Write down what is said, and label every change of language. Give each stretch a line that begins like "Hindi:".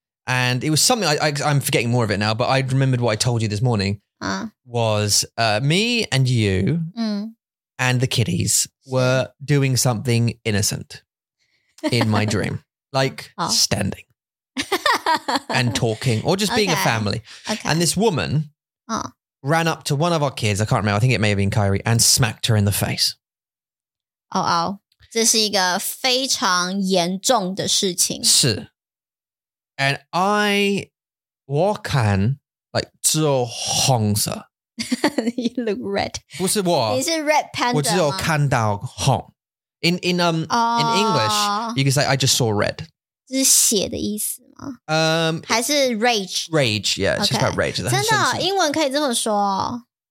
English: And it was something, I'm forgetting more of it now, but I remembered what I told you this morning, was me and you and the kiddies were doing something innocent in my dream. Like standing and talking or just being a family. Okay. And this woman... ran up to one of our kids, I can't remember, I think it may have been Kyrie, and smacked her in the face. Oh, oh.
Chinese: 这是一个非常严重的事情。是。
English: And I,
Chinese: 我看, like, 只有红色。
English: You look red.
Chinese: 不是我。你是 red panda 我只有看到红。
English: In English, you can say, I just saw red.
Chinese: 这是血的意思。还是 rage?
English: Rage, yeah, it's just about rage.
Chinese: 真的,英文可以这么说哦。